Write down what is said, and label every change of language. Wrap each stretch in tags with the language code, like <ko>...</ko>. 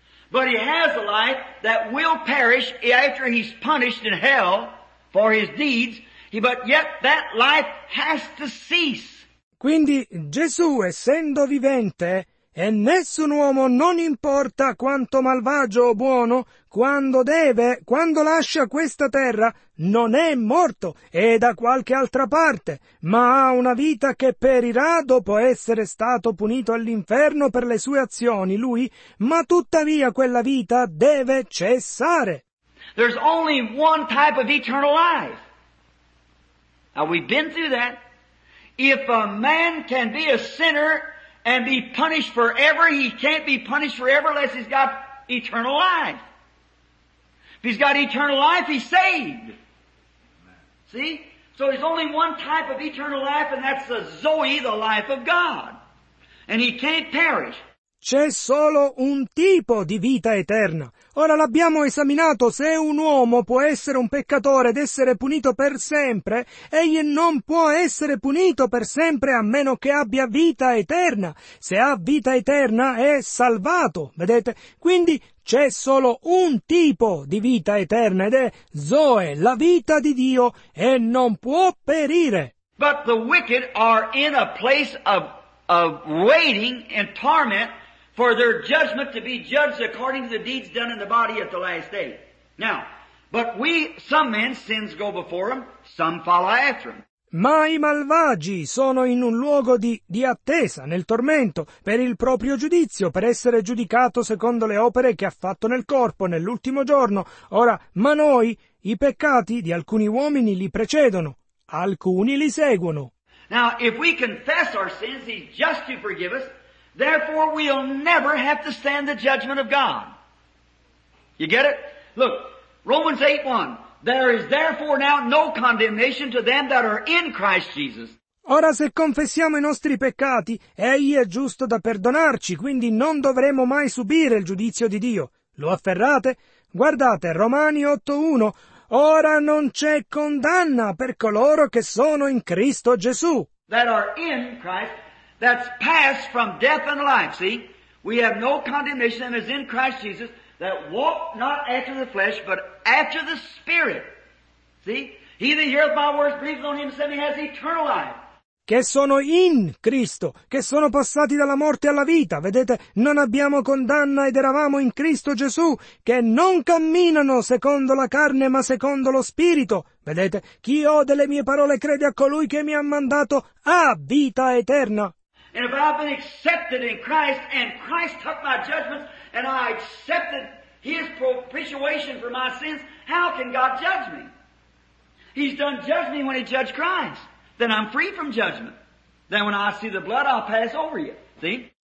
<en>But he has a life that will perish after he's punished in hell for his deeds, but yet that life has to cease.</en> <it>Quindi Gesù, essendo vivente, e nessun uomo, non importa quanto malvagio o buono, quando lascia questa terra, non è morto, è da qualche altra parte, ma ha una vita che perirà dopo essere stato punito all'inferno per le sue azioni, lui, ma tuttavia quella vita deve cessare.</it> <en>There's only one type of eternal life. Now we've been through that. If a man can be a sinner and be punished forever, he can't be punished forever unless he's got eternal life. If he's got eternal life, he's saved. Amen. See? So there's only one type of eternal life, and that's the Zoe, the life of God. And he can't perish.</en> <it>C'è solo un tipo di vita eterna. Ora l'abbiamo esaminato, se un uomo può essere un peccatore ed essere punito per sempre, egli non può essere punito per sempre a meno che abbia vita eterna. Se ha vita eterna è salvato, vedete? Quindi c'è solo un tipo di vita eterna ed è Zoe, la vita di Dio, e non può perire.</it> <en>But the wicked are in a place of waiting and torment for their judgment to be judged according to the deeds done in the body at the last day. Now, but we, some men's sins go before them, some follow after them.</en> <it>Ma i malvagi sono in un luogo di attesa, nel tormento, per il proprio giudizio, per essere giudicato secondo le opere che ha fatto nel corpo, nell'ultimo giorno. Ora, ma noi, i peccati di alcuni uomini li precedono, alcuni li seguono.</it> <en>Now, if we confess our sins, he's just to forgive us. Therefore, we'll never have to stand the judgment of God. You get it? Look, Romans 8:1. There is therefore now no condemnation to them that are in Christ Jesus.</en> <it>Ora, se confessiamo i nostri peccati, egli è giusto da perdonarci, quindi non dovremo mai subire il giudizio di Dio. Lo afferrate? Guardate, Romani 8:1. Ora non c'è condanna per coloro che sono in Cristo Gesù.</it> <en>That are in Christ. That's passed from death and life, see? We have no condemnation as in Christ Jesus that walk not after the flesh, but after the Spirit. See? He that heareth my words, believes on him, and has eternal life.</en> <it>Che sono in Cristo, che sono passati dalla morte alla vita. Vedete, non abbiamo condanna ed eravamo in Cristo Gesù, che non camminano secondo la carne ma secondo lo Spirito. Vedete, chi ode le mie parole crede a colui che mi ha mandato a vita eterna.</it> <en>And if I've been accepted in Christ, and Christ took my judgments, and I accepted his propitiation for my sins, how can God judge me? He's done judged me when he judged Christ. Then I'm free from judgment. Then when I see the blood, I'll pass over you. See?</en>